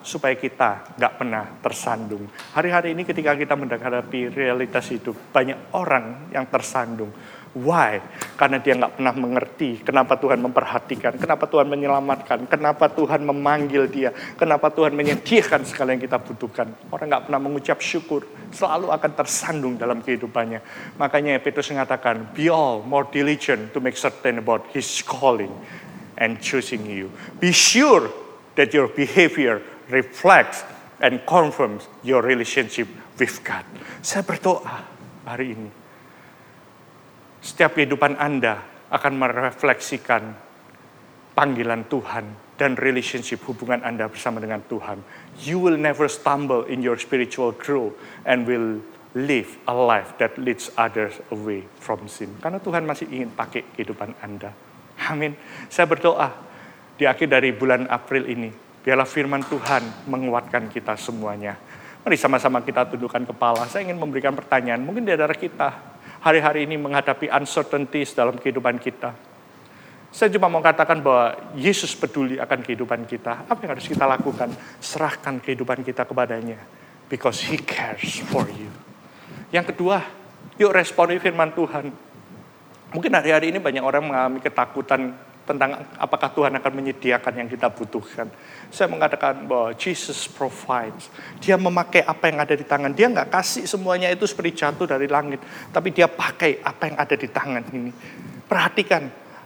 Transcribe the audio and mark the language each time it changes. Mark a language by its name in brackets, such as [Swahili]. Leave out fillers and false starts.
[Indonesian] Supaya kita gak pernah tersandung. Hari-hari ini ketika kita menghadapi realitas hidup, banyak orang yang tersandung. [English] Why? [Indonesian] Karena dia gak pernah mengerti kenapa Tuhan memperhatikan, kenapa Tuhan menyelamatkan, kenapa Tuhan memanggil dia, kenapa Tuhan menyediakan segala yang kita butuhkan. Orang gak pernah mengucap syukur, selalu akan tersandung dalam kehidupannya. Makanya Petrus mengatakan, [English] be all more diligent to make certain about his calling and choosing you. Be sure that your behavior reflects and confirms your relationship with God. [Indonesian] Saya berdoa hari ini, setiap kehidupan Anda akan merefleksikan panggilan Tuhan dan relationship hubungan Anda bersama dengan Tuhan. [English] You will never stumble in your spiritual growth and will live a life that leads others away from sin. [Indonesian] Karena Tuhan masih ingin pakai kehidupan Anda. Amin. Saya berdoa di akhir dari bulan April ini, biarlah firman Tuhan menguatkan kita semuanya. Mari sama-sama kita tundukkan kepala. Saya ingin memberikan pertanyaan, mungkin di antara kita hari-hari ini menghadapi uncertainties dalam kehidupan kita. Saya cuma mau katakan bahwa Yesus peduli akan kehidupan kita. Apa yang harus kita lakukan? Serahkan kehidupan kita kepadanya. [English] Because he cares for you. [Indonesian] Yang kedua, yuk responi firman Tuhan. Mungkin hari-hari ini banyak orang mengalami ketakutan tentang apakah Tuhan akan menyediakan yang kita butuhkan. Saya mengatakan bahwa [English] Jesus provides. [Indonesian] Dia memakai apa yang ada di tangan. Dia gak kasih semuanya itu seperti jatuh dari langit. Tapi dia pakai apa yang ada di tangan ini. Perhatikan.